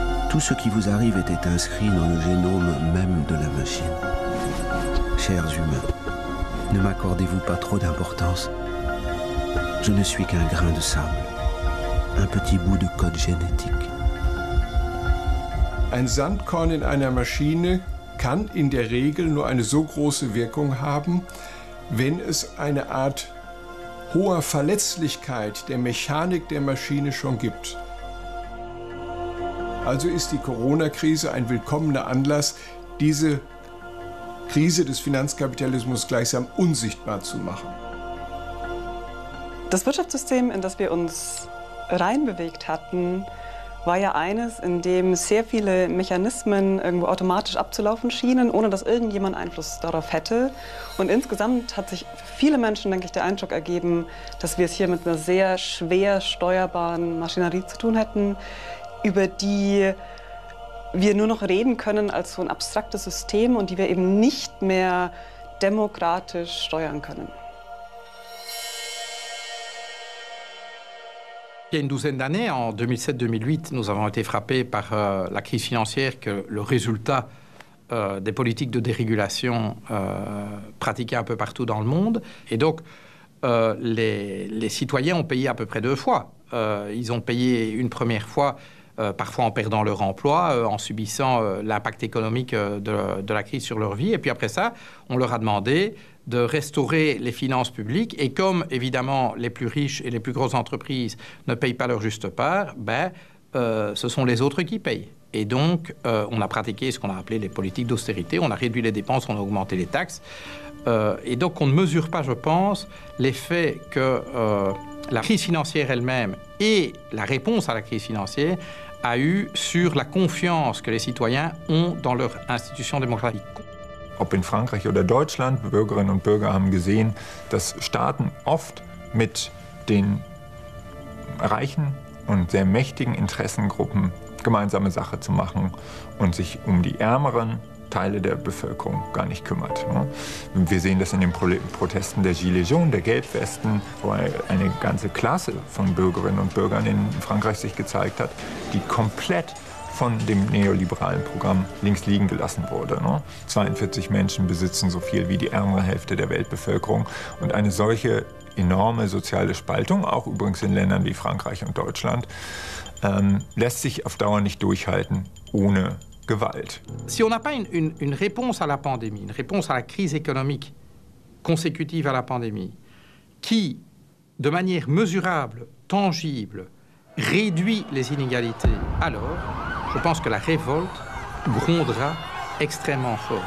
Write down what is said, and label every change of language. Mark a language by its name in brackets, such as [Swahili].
[French] Tout ce qui vous arrive était inscrit dans le génome même de la machine. Chers humains, ne m'accordez-vous pas trop d'importance. Je ne suis qu'un grain de sable, un petit bout de code génétique. [German] Ein Sandkorn in einer Maschine kann in der Regel nur eine so große Wirkung haben, wenn es eine Art hoher Verletzlichkeit der Mechanik der Maschine schon gibt. Also ist die Corona-Krise ein willkommener Anlass, diese Krise des Finanzkapitalismus gleichsam unsichtbar zu machen. Das Wirtschaftssystem, in das wir uns reinbewegt hatten, war ja eines, in dem sehr viele Mechanismen irgendwo automatisch abzulaufen schienen, ohne dass irgendjemand Einfluss darauf hätte. Und insgesamt hat sich für viele Menschen, denke ich, der Eindruck ergeben, dass wir es hier mit einer sehr schwer steuerbaren Maschinerie zu tun hätten, über die wir nur noch reden können als so ein abstraktes System und die wir eben nicht mehr demokratisch steuern können. [French] Il y a une douzaine d'années, en 2007-2008, nous avons été frappés par la crise financière que le résultat des politiques de dérégulation pratiquées un peu partout dans le monde. Et donc, les citoyens ont payé à peu près deux fois. Ils ont payé une première fois parfois en perdant leur emploi, en subissant l'impact économique de la crise sur leur vie. Et puis après ça, on leur a demandé de restaurer les finances publiques. Et comme, évidemment, les plus riches et les plus grosses entreprises ne payent pas leur juste part, ce sont les autres qui payent. Et donc, on a pratiqué ce qu'on a appelé les politiques d'austérité. On a réduit les dépenses, on a augmenté les taxes. Et donc, on ne mesure pas, je pense, l'effet que la crise financière elle-même et la réponse à la crise financière a eu sur la confiance que les citoyens ont dans leurs institutions démocratiques. [German] Ob in Frankreich oder Deutschland, Bürgerinnen und Bürger haben gesehen, dass Staaten oft mit den reichen und sehr mächtigen Interessengruppen gemeinsame Sache zu machen und sich um die ärmeren Teile der Bevölkerung gar nicht kümmert. Wir sehen das in den Protesten der Gilets jaunes, der Gelbwesten, wo eine ganze Klasse von Bürgerinnen und Bürgern in Frankreich sich gezeigt hat, die komplett von dem neoliberalen Programm links liegen gelassen wurde. 42 Menschen besitzen so viel wie die ärmere Hälfte der Weltbevölkerung. Und eine solche enorme soziale Spaltung, auch übrigens in Ländern wie Frankreich und Deutschland, lässt sich auf Dauer nicht durchhalten ohne Gewalt. [French] Si on n'a pas une réponse à la pandémie, une réponse à la crise économique consécutive à la pandémie, qui, de manière mesurable, tangible, réduit les inégalités, alors je pense que la révolte grondera extrêmement fort.